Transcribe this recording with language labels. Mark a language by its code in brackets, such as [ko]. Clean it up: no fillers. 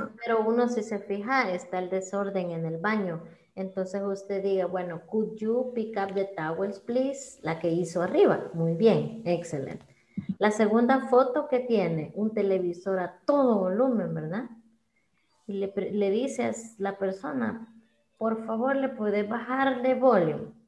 [es] Número uno, si se fija, está el desorden en el baño. Entonces usted diga, bueno, [en] could you pick up the towels, please? [es] La que hizo arriba. Muy bien, excelente. La segunda foto que tiene, un televisor a todo volumen, ¿verdad? Y le dice a la persona, por favor, ¿le puede bajar de volumen?